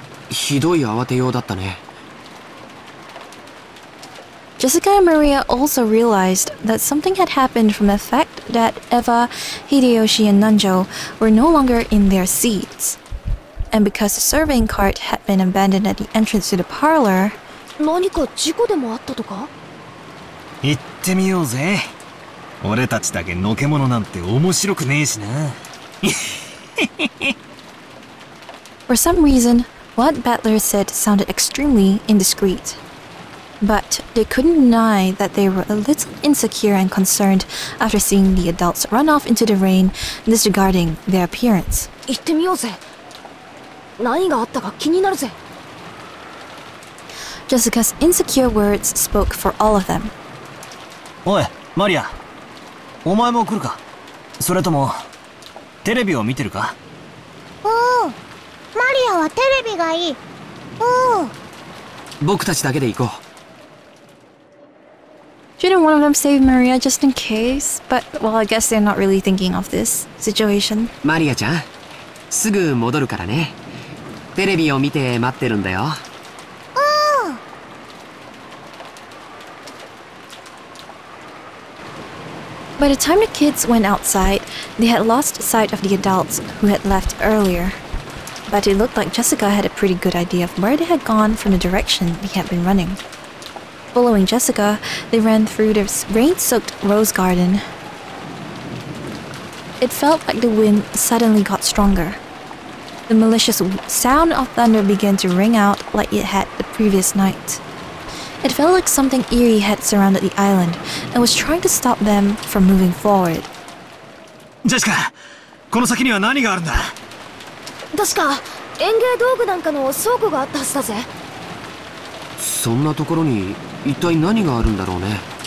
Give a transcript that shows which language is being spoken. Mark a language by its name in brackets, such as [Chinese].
[Japanese] ひどい慌てようだったね。 [English] Jessica and Maria also realized that something had happened from the fact that Eva, Hideyoshi, and Nanjo were no longer in their seats. And because the serving cart had been abandoned at the entrance to the parlor... [Japanese] 何か事故でもあったとか? 行ってみようぜ。俺たちだけのけものなんて面白くねえしな。 [English] For some reason, what Butler said sounded extremely indiscreet. But they couldn't deny that they were a little insecure and concerned after seeing the adults run off into the rain, disregarding their appearance. [Japanese] 行ってみようぜ。何があったか気になるぜ。 [English] Jessica's insecure words spoke for all of them. [Japanese] おい、マリア。お前も来るか。それとも、テレビを見てるか。おお、マリアはテレビがいい。おお。僕たちだけで行こう。 [English] Shouldn't one of them save Maria just in case? But, well, I guess they're not really thinking of this situation. [Japanese] Maria-chan, すぐ戻るからね。テレビを見て待ってるんだよ。 [English] By the time the kids went outside, they had lost sight of the adults who had left earlier. But it looked like Jessica had a pretty good idea of where they had gone from the direction they had been running. Following Jessica, they ran through the rain-soaked rose garden. It felt like the wind suddenly got stronger. The malicious sound of thunder began to ring out like it had the previous night. It felt like something eerie had surrounded the island and was trying to stop them from moving forward. [Japanese] Jessica, この先には何があるんだ？確か、園芸道具なんかの倉庫があったはずだぜ。そんなところに一体何があるんだろうね。